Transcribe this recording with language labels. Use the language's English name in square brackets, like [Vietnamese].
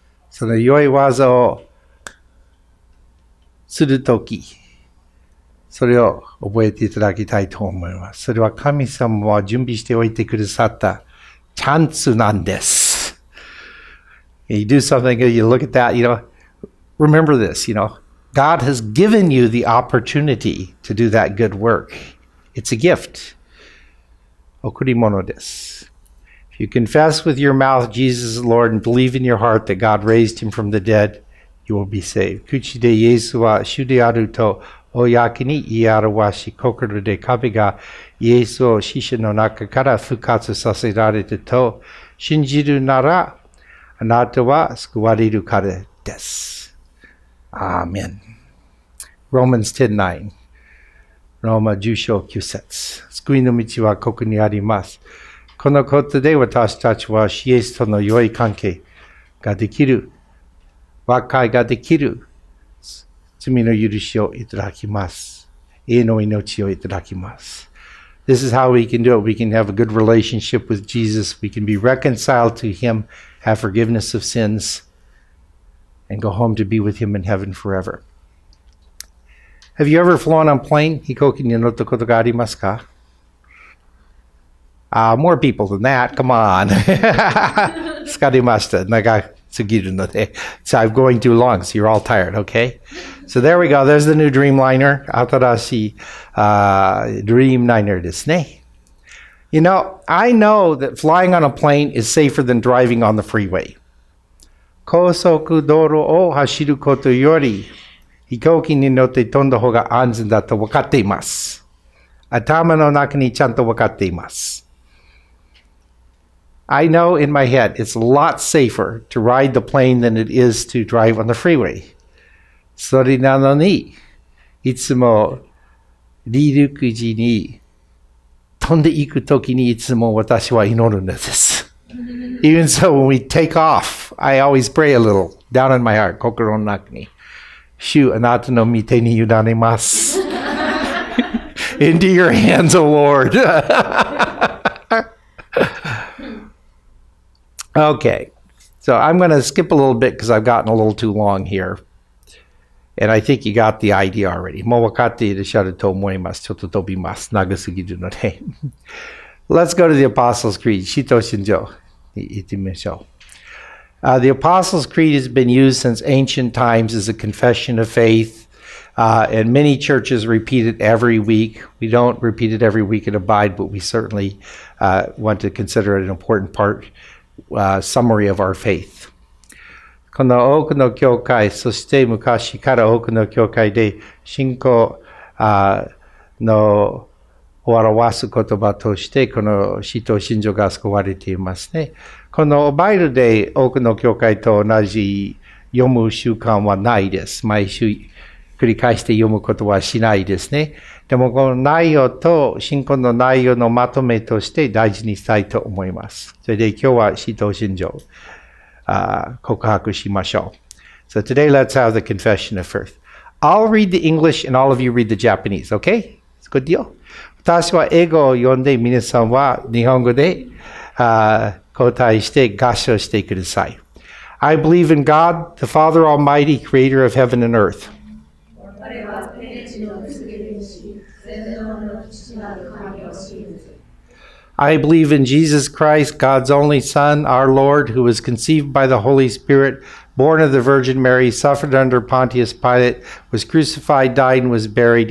[Japanese] その良い技をするとき、それを覚えていただきたいと思います。それは神様は準備しておいてくださったチャンスなんです。 [English] You do something, you look at that, you know, remember this, you know, God has given you the opportunity to do that good work. It's a gift. [Japanese] 贈り物です。 [English] If you confess with your mouth Jesus is Lord and believe in your heart that God raised him from the dead,You will be saved. [Japanese] 口でイエスは主であると公に言い表し、心で神がイエスを死者の中から復活させられたと信じるなら、あなたは救われるからです。 [English] アーメン。Romans 10:9. [Japanese] ローマ10章9節。救いの道はここにあります。このことで私たちはイエスとの良い関係ができる。和解ができる罪の許しをいただきます。永遠の命をいただきます。 [English] This is how we can do it. We can have a good relationship with Jesus. We can be reconciled to Him, have forgiveness of sins, and go home to be with Him in heaven forever. Have you ever flown on a plane? [Japanese] 飛行機に乗ったことがありますか? [English] More people than that. Come on. [Japanese] 疲れました。長く。 [English] So I'm going too long, so you're all tired, okay? So there we go, there's the new Dreamliner. [Japanese] 新しい Dreamliner ですね。 [English] You know, I know that flying on a plane is safer than driving on the freeway. [Japanese] 高速道路を走ることより飛行機に乗って飛んだ方が安全だと分かっています。頭の中にちゃんと分かっています。 [English] I know in my head it's a lot safer to ride the plane than it is to drive on the freeway. [Japanese] それなのに、いつも離陸時に飛んでいくときにいつも私は祈るのです。 [English] Even so, when we take off, I always pray a little down in my heart. [Japanese] 心の中に。主あなたの御手にゆだねます。 [English] Into your hands, O Lord. Okay. So I'm going to skip a little bit because I've gotten a little too long here. And I think you got the idea already. [Japanese] もう分かっていらっしゃると思います。ちょっと飛びます。長すぎるので。 [English] Let's go to the Apostles' Creed. [Japanese] 使徒信条。行ってみましょう。 [English] The Apostles' Creed has been used since ancient times as a confession of faith. And many churches repeat it every week. We don't repeat it every week at Abide, but we certainly want to consider it an important part, summary of our faith. [Japanese] この多くの教会、そして昔から多くの教会で信仰の表す言葉としてこの使徒信条が使われていますね。このオバイルで多くの教会と同じ読む習慣はないです。毎週繰り返して読むことはしないですね。でもこの内容と信仰の内容のまとめとして大事にしたいと思います。それで今日は使徒信条。告白しましょう。 [English] So today let's have the confession of faith. I'll read the English and all of you read the Japanese, okay? It's a good deal. [Japanese] 私は英語を読んで、皆さんは日本語で答えして合唱してください。 [English] I believe in God, the Father Almighty, Creator of heaven and earth. [Japanese] 我は天地の主権主、全能の父なる神を信じる。 [English] I believe in Jesus Christ, God's only Son, our Lord, who was conceived by the Holy Spirit, born of the Virgin Mary, suffered under Pontius Pilate, was crucified, died, and was buried.